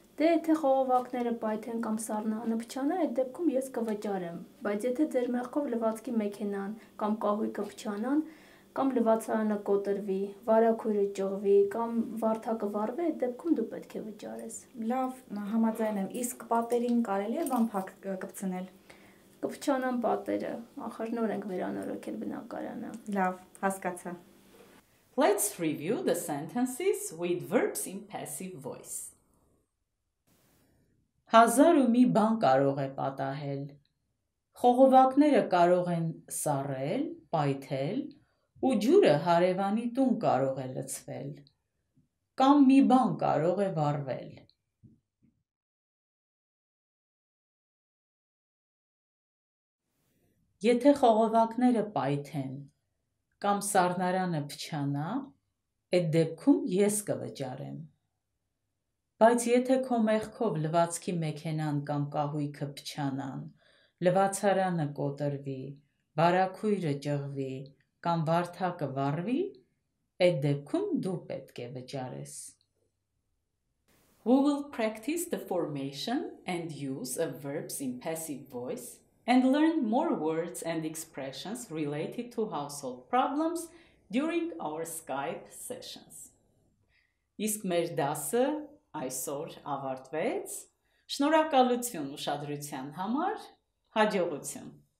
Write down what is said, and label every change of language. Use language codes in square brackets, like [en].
[hy] Դե եթե խողովակները պայթեն կամ սառնան ու փչանա, այդ դեպքում ես կվճարեմ, բայց եթե ձեր մեղքով լվացքի մեքենան կամ կահույքը փչանան կամ լվացարանը կոտրվի, վարակույրը ճողվի կամ վարդակը վառվի, այդ դեպքում դու պետք է վճարես։ Լավ, համաձայն եմ։ Իսկ պատերին կարելի է բան փակ կպցնել։ Կփչանան պատերը, ախր նոր ենք վերանորոգել բնակարանը։ Լավ, հասկացա։ [en] Let's review the sentences with verbs in passive voice. [hy] Հազար ու մի բան կարող է պատահել։ Խողովակները կարող են սառել, պայթել ու ջուրը հարևանի տուն կարող է լցվել։ Կամ մի բան կարող է վառվել։ Եթե խողովակները պայթեն կամ սառնարանը փչանա, այդ դեպքում ես կվճարեմ։ Բայց եթե քո մեղքով լվացքի մեքենան կամ կահույքը փչանան, լվացարանը կոտրվի, վարակույրը ճղվի կամ վարդակը վառվի, այդ դեպքում դու պետք է վճարես։ [en] We will practice the formation and use of verbs in passive voice and learn more words and expressions related to household problems during our Skype sessions. [hy] Իսկ մեր դասը այսօր ավարտվեց։ Շնորհակալություն ուշադրության համար, հաջողություն։